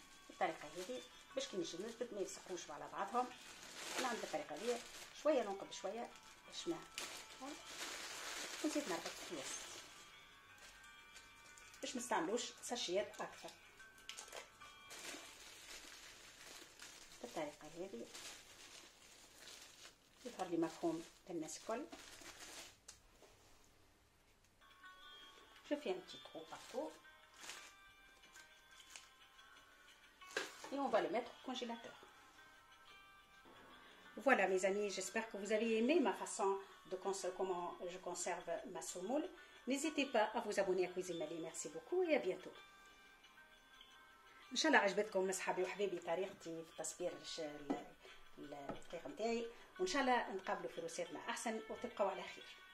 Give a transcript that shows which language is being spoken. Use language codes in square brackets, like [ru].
[ar] الطريقه هذه باش كي نجي نجبد ما يلصقوش على بعضهم انا عندي الطريقه هذه شويه نوقف شويه باش ما ونزيد نربط في الوسط باش ما استعملوش ساشيات اكثر بالطريقه هذه يظهر لي مفهوم للناس الكل [fr] Je fais un petit trou partout et on va le mettre au congélateur. Voilà mes amis, j'espère que vous avez aimé ma façon de comment je conserve ma semoule. N'hésitez pas à vous abonner à Cuisine Mali, merci beaucoup et à bientôt. [ar] Inch'Allah, عجبتكم صحابي وحبيبي طريقتي في تصبير الدقيق نتاعي وإن شاء الله نتقابلوا في روسيتنا أحسن وتبقوا على خير.